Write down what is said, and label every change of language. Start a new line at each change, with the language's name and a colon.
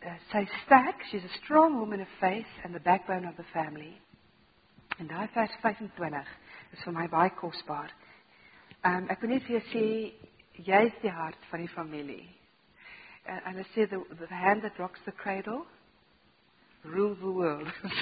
Afrikaans: Sy sterk,
English: she's a strong woman of faith and the backbone of the family.
Afrikaans: En daar vers 25 is vir my baie kostbaar. Ek wil net vir jou sê, jy is die hart van die familie.
English: And I say, the hand that rocks the cradle rules the world.